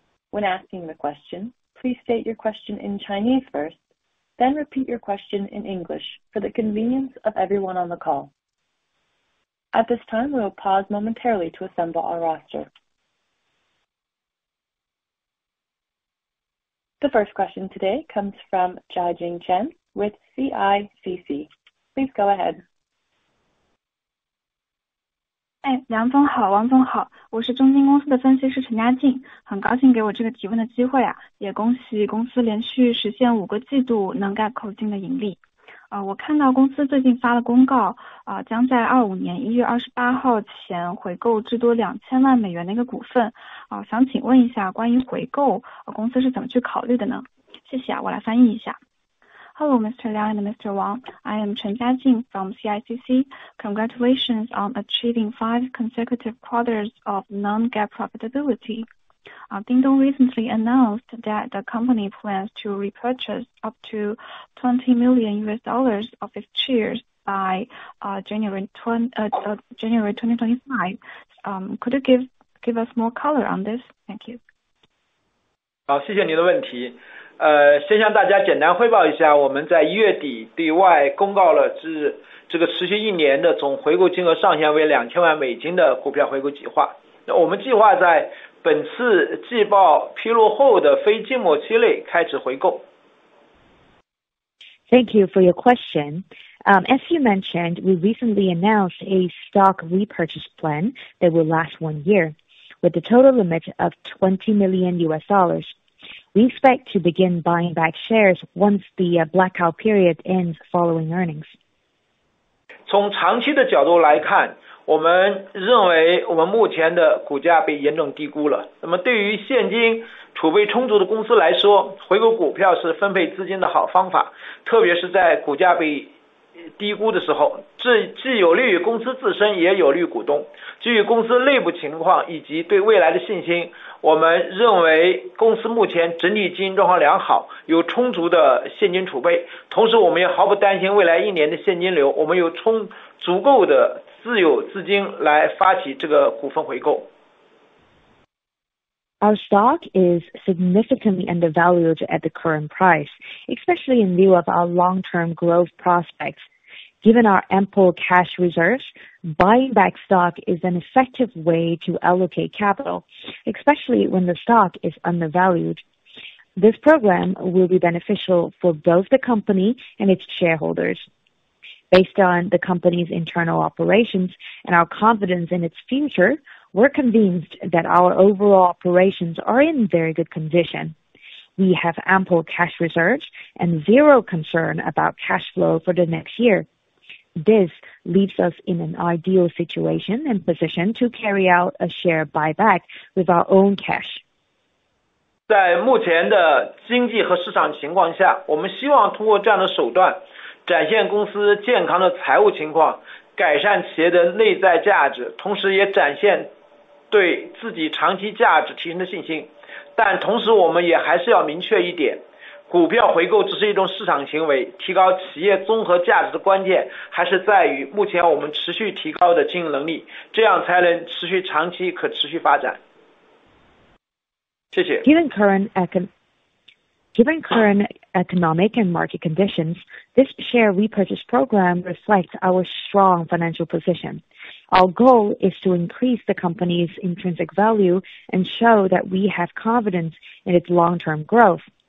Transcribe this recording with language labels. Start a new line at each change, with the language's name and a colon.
English: When asking the question, please state your question in Chinese first, then repeat your question in English for the convenience of everyone on the call. At this time, we will pause momentarily to assemble our roster. The first question today comes from Jiajing Chen with CICC. Please go ahead.
Chinese: 哎，梁总好，王总好，我是中金公司的分析师陈佳静，很高兴给我这个提问的机会啊，也恭喜公司连续实现五个季度能GAAP口径的盈利。我看到公司最近发了公告，将在2025年1月28号前回购至多2000万美元的一个股份，想请问一下关于回购，公司是怎么去考虑的呢？谢谢啊，我来翻译一下。
English: Hello, Mr. Liang and Mr. Wang. I am Chen Jiajing from CICC. Congratulations on achieving 5 consecutive quarters of non-GAAP profitability. Dingdong recently announced that the company plans to repurchase up to $20 million of its shares by January 2025. Could you give us more color on this? Thank you.
Chinese: 好，谢谢你的问题。先向大家简单汇报一下，我们在一月底对外公告了至这个持续一年的总回购金额上限为2000万美金的股票回购计划。那我们计划在本次季报披露后的非静默期内开始回购。
English: Thank you for your question. As you mentioned, we recently announced a stock repurchase plan that will last 1 year, with a total limit of $20 million. We expect to begin buying back shares once the blackout period ends following earnings.
Chinese: 从长期的角度来看，我们认为我们目前的股价被严重低估了。那么对于现金储备充足的公司来说，回购股票是分配资金的好方法，特别是在股价被低估的时候，这既有利于公司自身，也有利于股东。基于公司内部情况以及对未来的信心，我们认为公司目前整体经营状况良好，有充足的现金储备，同时我们也毫不担心未来一年的现金流，我们有足够的自有资金来发起这个股份回购。
English: Our stock is significantly undervalued at the current price, especially in view of our long-term growth prospects. Given our ample cash reserves, buying back stock is an effective way to allocate capital, especially when the stock is undervalued. This program will be beneficial for both the company and its shareholders. Based on the company's internal operations and our confidence in its future, we're convinced that our overall operations are in very good condition. We have ample cash reserves and zero concern about cash flow for the next year. This leaves us in an ideal situation and position to carry out a share buyback with our own cash.
Chinese: 在目前的经济和市场情况下，我们希望通过这样的手段展现公司健康的财务情况，改善企业的内在价值，同时也展现对自己长期价值提升的信心。但同时我们也还是要明确一点，股票回购只是一种市场行为，提高企业综合价值的关键还是在于目前我们持续提高的经营能力，这样才能持续长期可持续发展。谢谢。
English: Given current Given current economic and market conditions, this share repurchase program reflects our strong financial position. Our goal is to increase the company's intrinsic value and show that we have confidence in its long-term growth.